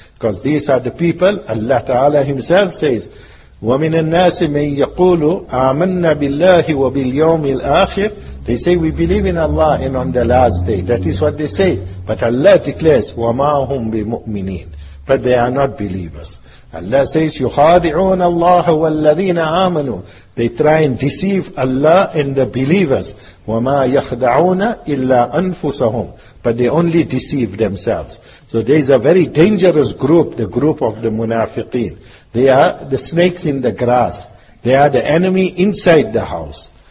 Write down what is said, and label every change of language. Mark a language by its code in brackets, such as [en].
[en] Because these are the people, Allah Ta'ala Himself says, [ar] وَمِنَ النَّاسِ مَنْ يَقُولُ آمَنَّ بِاللَّهِ وَبِالْيَوْمِ الْآخِرِ. [en] They say, we believe in Allah and on the last day. That is what they say. But Allah declares, [ar] وَمَا هُمْ بِمُؤْمِنِينَ. [en] But they are not believers. Allah says, [ar] يُخَادِعُونَ اللَّهَ وَالَّذِينَ آمَنُوا. [en] They try and deceive Allah and the believers. [ar] وَمَا يَخْدَعُونَ إِلَّا أَنفُسَهُمْ. [en] But they only deceive themselves. So there is a very dangerous group, the group of the munafiqeen. They are the snakes in the grass. They are the enemy inside the house.